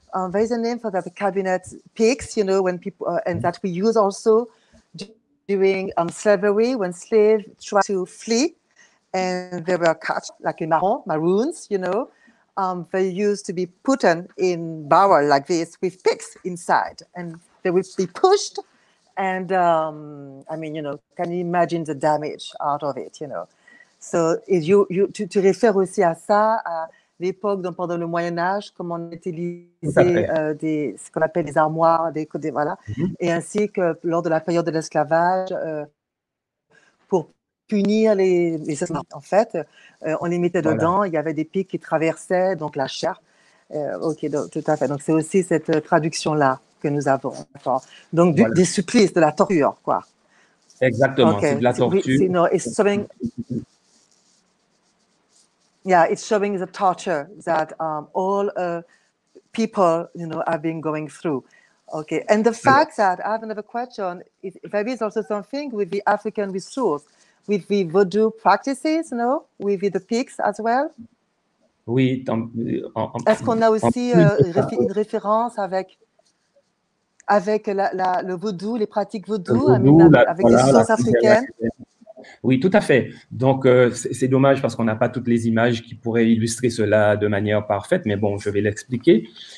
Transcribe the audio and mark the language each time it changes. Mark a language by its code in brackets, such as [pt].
[en] There is a name for that, the cabinet pigs, you know, when people, and that we use also during slavery, when slaves try to flee and they were caught, like in maroons, you know. They used to be put in barrel like this with pigs inside, and they would be pushed. And I mean, you know, can you imagine the damage out of it, you know? So is you to refer [fr] aussi à ça, à l'époque, donc pendant le Moyen Âge, comment on utilisait ce qu'on appelle des armoires, des voilà, et ainsi que lors de la période de l'esclavage, pour punir les esclaves, en fait, on les mettait dedans, il y avait des pics qui traversaient donc la chair. Ok, donc, tout à fait. Donc c'est aussi cette traduction-là que nous avons. Enfin, donc des supplices, de la torture, quoi. Exactement, okay. C'est de la torture. [en] It's showing the torture that all people, you know, have been going through. Okay, and the fact that, I have another question, there is also something with the African resource, with the voodoo practices, you know, with the pigs as well? [fr] Oui. Est-ce qu'on a aussi une référence avec le voodoo, les pratiques voodoo, avec les sources africaines? Oui, tout à fait. Donc, c'est dommage parce qu'on n'a pas toutes les images qui pourraient illustrer cela de manière parfaite, mais bon, je vais l'expliquer.